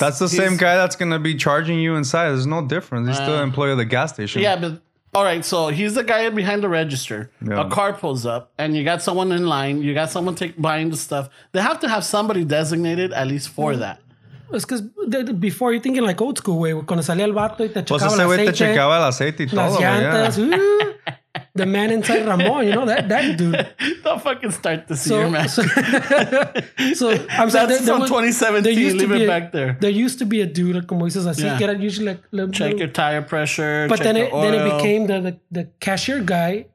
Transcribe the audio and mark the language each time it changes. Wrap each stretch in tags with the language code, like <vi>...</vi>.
<en>That's the same guy that's going to be charging you inside. There's no difference. He's still an employee of the gas station. Yeah, but all right. So he's the guy behind the register. Yeah. A car pulls up and you got someone in line. You got someone buying the stuff. They have to have somebody designated at least for that. It's because before you're thinking like old school way.</en> <es>Cuando salía el vato y te checaba el aceite. Te checaba el aceite y todo. Las llantas.</es> <en>The man inside Ramon, you know, that dude. Don't fucking start this year, man. So I'm saying that's from 2017 living back there. There used to be a dude, like,</en> <es>como dices, así, que era</es> <en>usually like, check your tire pressure, but check the oil. Then it became the cashier guy.</en>